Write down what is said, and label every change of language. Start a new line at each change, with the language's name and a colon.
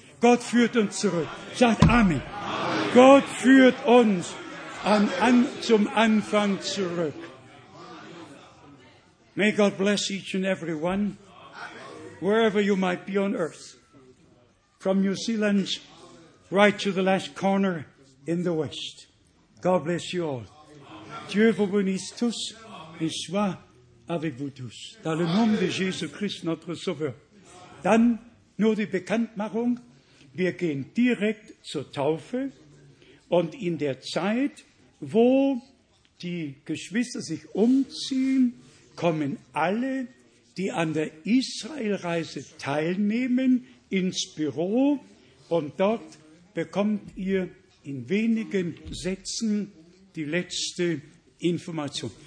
German: Gott führt uns zurück. Sagt Amen. Amen. Gott führt uns zum Anfang zurück.
English: May God bless each and every one, wherever you might be on earth. From New Zealand right to the last corner in the West. God bless you all.
French: Dieu vous bénisse tous et soit avec vous tous. Dans le nom de Jésus-Christ, notre Sauveur.
German: Dann nur die Bekanntmachung. Wir gehen direkt zur Taufe und in der Zeit, wo die Geschwister sich umziehen, kommen alle, die an der Israelreise teilnehmen, ins Büro und dort bekommt ihr in wenigen Sätzen die letzte Information.